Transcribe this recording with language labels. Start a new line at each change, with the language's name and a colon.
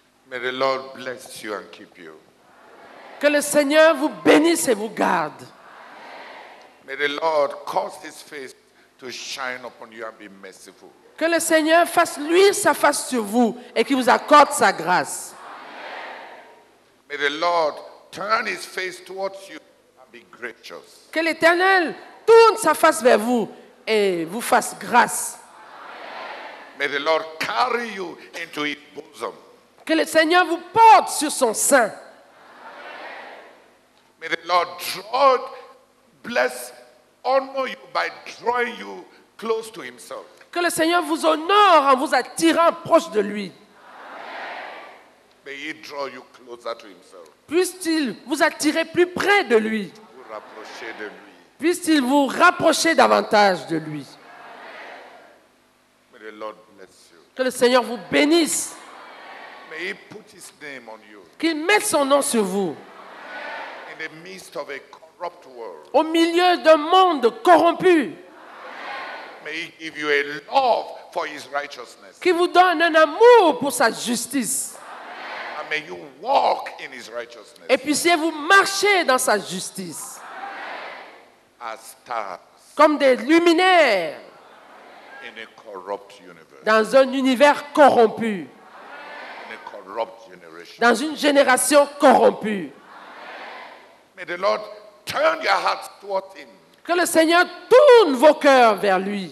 English: May the Lord bless you and keep you.
French: Que le Seigneur vous bénisse et vous garde.
English: May the Lord cause his face to shine upon you and be merciful.
French: Que le Seigneur fasse luire sa face sur vous et qu'il vous accorde sa grâce.
English: May the Lord turn his face towards you and be gracious.
French: Que l'Éternel tourne sa face vers vous et vous fasse grâce.
English: May the Lord carry you into his bosom.
French: Que le Seigneur vous porte sur son sein.
English: May the Lord draw, bless, honor you by drawing you close to himself.
French: Que le Seigneur vous honore en vous attirant proche de lui.
English: May he draw you closer to himself.
French: Puisse-t-il vous attirer plus près de lui. Vous rapprocher de lui. Puisse-t-il vous rapprocher davantage de lui.
English: May the Lord bless you.
French: Que le Seigneur vous bénisse.
English: May he put his name on you.
French: Qu'il mette son nom sur vous.
English: In the midst of a corrupt world.
French: Au milieu d'un monde corrompu.
English: May he give you a love for his righteousness.
French: Qu'il vous donne un amour pour sa justice.
English: And may you walk in his righteousness.
French: Et puissiez-vous marcher dans sa justice.
English: as stars.
French: Comme des luminaires.
English: In a corrupt universe.
French: Dans un univers corrompu.
English: In a corrupt generation.
French: Dans une génération corrompue.
English: May the Lord turn your hearts toward him.
French: Que le Seigneur tourne vos cœurs vers lui.